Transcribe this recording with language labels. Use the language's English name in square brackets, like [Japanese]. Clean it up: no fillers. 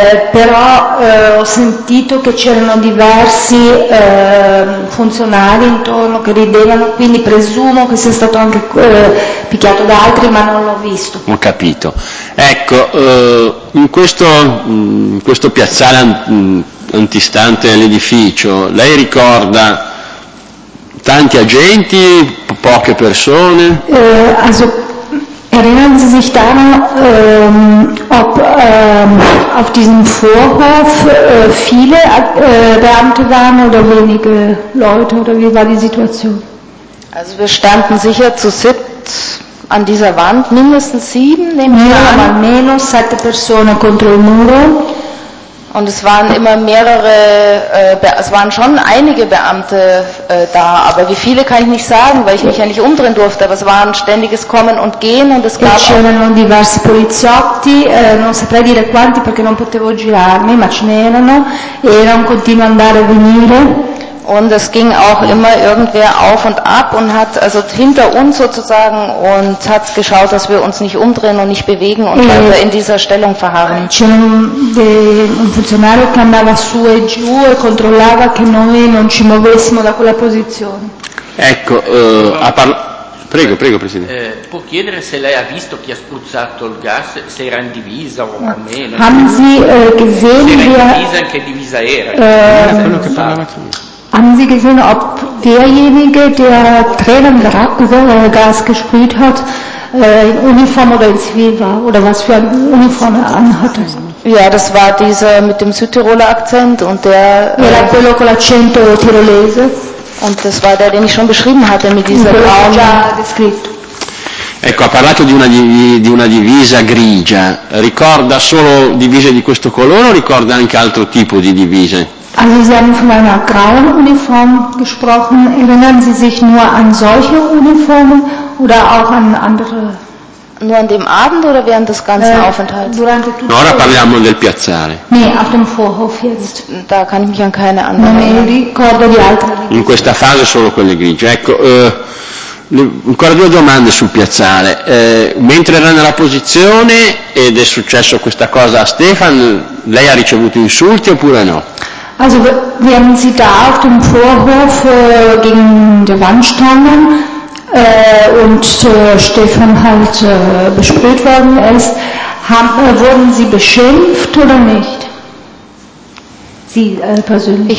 [Italian] Però ho sentito che c'erano diversi funzionari intorno che ridevano, quindi presumo che sia stato anche picchiato da altri, ma non l'ho visto. Ho capito. Ecco, in questo piazzale antistante all'edificio, lei ricorda tanti agenti, poche persone? [German] Also Erinnern Sie sich daran, ob auf diesem Vorhof viele Beamte waren oder wenige Leute, oder wie war die Situation? Also wir standen sicher zu siebt an dieser Wand, mindestens sieben, [Italian] almeno sette persone contro il muro. [German] Und es waren immer mehrere, es waren schon einige Beamte da, aber wie viele kann ich nicht sagen, weil ich mich ja nicht umdrehen durfte, aber es war ein ständiges Kommen und Gehen und es gab... [Italian] E c'erano diversi poliziotti, non saprei dire quanti perché non potevo girarmi, ma ce n'erano, e era un continuo andare e venire. [German] Und es ging auch immer irgendwer auf und ab und hat, also hinter uns sozusagen, und hat geschaut, dass wir uns nicht umdrehen und nicht bewegen und weiter in dieser Stellung verharren. [Italian] Un funzionario che andava su e giù e controllava che noi non ci muovessimo da quella posizione. Ecco, prego, prego, Presidente. Può chiedere se lei ha visto chi ha spruzzato il gas, se era in divisa o meno? [German] Haben Sie gesehen, [Italian] se era in divisa, in che divisa era? Quello che parlava qui. [German] Haben Sie gesehen, ob derjenige, der Tränen Gas gesprüht hat, in Uniform oder in Zivil war? Oder was für eine Uniform er anhatte? Ja, das war dieser mit dem Südtiroler Akzent und der... [Italian] Era quello con l'accento tirolese. [German] Und das war der, den ich schon beschrieben hatte mit dieser Braun. [Italian] Ecco, ha parlato di una divisa grigia. Ricorda solo divise di questo colore o ricorda anche altro tipo di divise? [German] Also Sie haben von einer grauen Uniform gesprochen. Erinnern Sie sich nur an solche Uniformen oder auch an andere? Nur an dem Abend oder während des ganzen Aufenthalts? [Italian] Ora parliamo del piazzale. [German] Nee, auf dem Vorhof jetzt. Da kann ich mich an keine andere. [Italian] Non mi ricordo di altre. In questa fase solo quelle grigie. Ecco, ancora due domande sul piazzale. Mentre era nella posizione ed è successo questa cosa a Stefan, lei ha ricevuto insulti oppure no? [German] Also während Sie da auf dem Vorhof gegen die Wand standen und Stefan halt besprüht worden ist, wurden Sie beschimpft oder nicht? Sie persönlich?